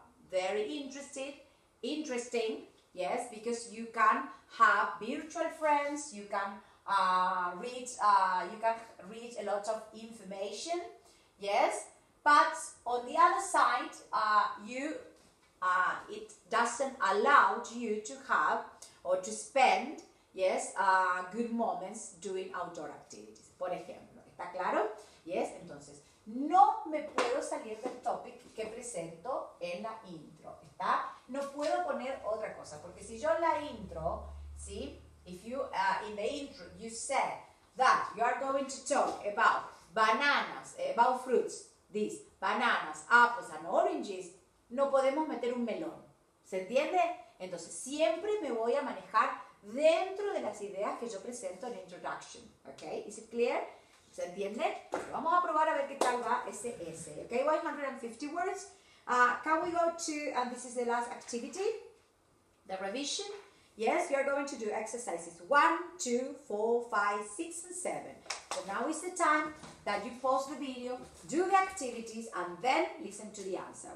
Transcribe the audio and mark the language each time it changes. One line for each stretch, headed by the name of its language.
English: very interesting, yes, because you can have virtual friends, you can read a lot of information, yes, but on the other side, it doesn't allow you to have or to spend, yes, good moments doing outdoor activities,
Spanish: por ejemplo. ¿Está claro? Yes, entonces, no me puedo salir del topic que presento en la intro, ¿está? No puedo poner otra cosa, porque si yo en la intro, ¿sí? If you, in the intro, you said that you are going to talk about bananas, about fruits, these, bananas, apples and oranges, no podemos meter un melón, ¿se entiende? Entonces, siempre me voy a manejar dentro de las ideas que yo presento en introduction, ¿ok?
English: Is it clear?
Spanish: ¿Se entiende? Vamos a probar a ver qué tal va ese S, ¿ok?
English: 150 words. Can we go to, and this is the last activity, the revision. Yes, we are going to do exercises 1, 2, 4, 5, 6, and 7. So now is the time that you pause the video, do the activities, and then listen to the answer.